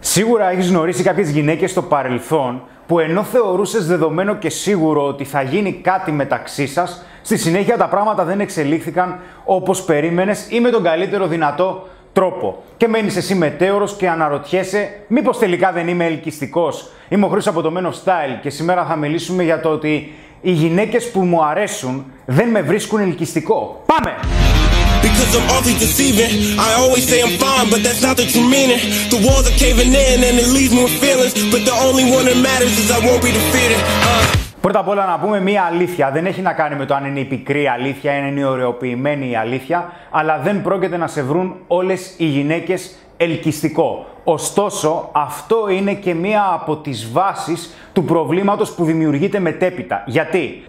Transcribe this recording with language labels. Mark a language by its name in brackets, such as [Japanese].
[Greek] Σίγουρα έχεις γνωρίσει κάποιες γυναίκες στο παρελθόν που ενώ θεωρούσες δεδομένο και σίγουρο ότι θα γίνει κάτι μεταξύ σας, στη συνέχεια τα πράγματα δεν εξελίχθηκαν όπως περίμενες ή με τον καλύτερο δυνατό τρόπο. Και μένεις εσύ μετέωρος και αναρωτιέσαι μήπως τελικά δεν είμαι ελκυστικός. Είμαι ο Χρήστος από το MenOfStyle και σήμερα θα μιλήσουμε για το ότι οι γυναίκες που μου αρέσουν δεν με βρίσκουν ελκυστικό. Πάμε! [English] Because I'm often deceiving, I always say I'm fine, but that's not the true meaning. The walls are caving in and it leaves me with feelings, but the only one that matters is I won't be defeated. [Greek] Πρώτα απ' όλα να πούμε μία αλήθεια. Δεν έχει να κάνει με το αν είναι η πικρή αλήθεια, αν είναι η ωραιοποιημένη η αλήθεια, αλλά δεν πρόκειται να σε βρουν όλες οι γυναίκες ελκυστικό. Ωστόσο, αυτό είναι και μία από τις βάσεις του προβλήματος που δημιουργείται μετέπειτα. Γιατί?